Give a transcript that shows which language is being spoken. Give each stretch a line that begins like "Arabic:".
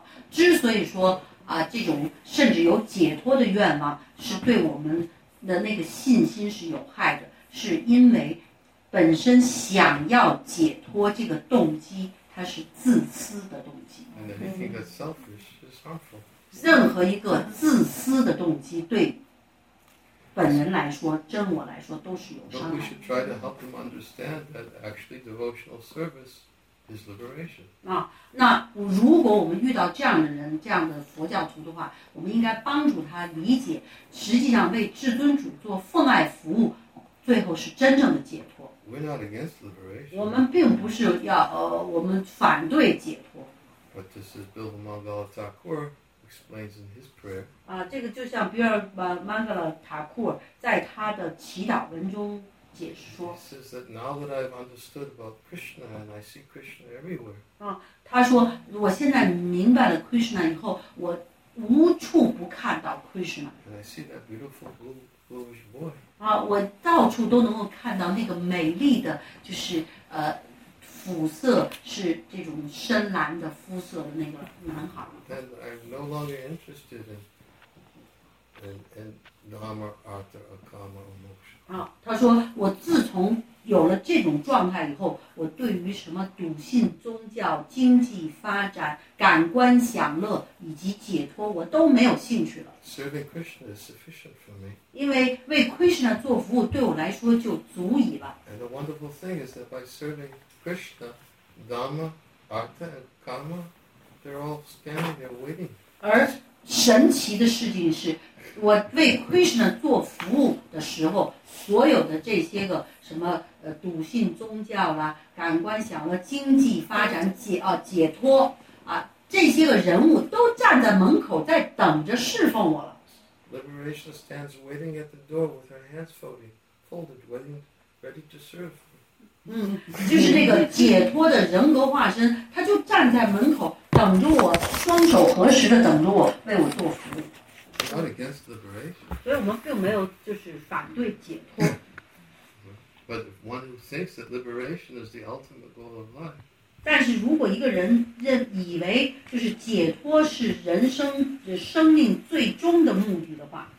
Chinese: 之所以说啊，这种甚至有解脱的愿望，是对我们的那个信心是有害的，是因为。本身想要解脱这个动机，它是自私的动机。
English: And anything that's selfish is harmful.
Chinese: 任何一个自私的动机，对本人来说，真我来说，都是有伤害。
English: But we should try to help them understand that actually devotional service is liberation.
Chinese: 那如果我们遇到这样的人，这样的佛教徒的话，我们应该帮助他理解，实际上为至尊主做奉爱服务。最后是真正的解脱。
English: We're not against liberation.
Chinese: 我们并不是要我们反对解脱。
English: But this is Bilba Mangala Thakur explains in his prayer.
Chinese: 这个就像 Bilba Mangala Thakur 在他的祈祷文中解释说。
English: He says that now that I've understood about Krishna and I see Krishna everywhere.
Chinese: 他说我现在明白了 Krishna 以后，我无处不看到 Krishna.
English: And I see that beautiful foolish boy.
Chinese: 我到处都能够看到那个美丽的，就是肤色是这种深蓝的肤色的那个男孩。
English: Then I'm no longer interested in dharma, artha, akama, or moksha.
Chinese: 他说我自从有了这种状态以后，我对于什么笃信、宗教、经济发展、感官享乐以及解脱，我都没有兴趣了。
English: Serving Krishna is sufficient for me.
Chinese: 因为为 Krishna 做服务对我来说就足以了。
English: And the wonderful thing is that by serving Krishna, Dharma, Artha, and Karma, they're all standing there waiting.
Chinese: 而神奇的事情是，我为 Krishna 做服务的时候，所有的这些个什么笃信宗教啦、感官享乐、经济发展解脱啊，这些个人物都站在门口在等着侍奉我了。
English: Liberation stands waiting at the door with her hands folded, waiting, ready to serve.
Chinese: 就是那个解脱的人格化身，他就站在门口等着我，双手合十的等着我为我做服务。
English: Not against liberation.
Chinese: 所以我们并没有就是反对解脱。
English: But if one thinks that liberation is the ultimate goal of life.
Chinese: 但是如果一个人以为就是解脱是人生生命最终的目的的话。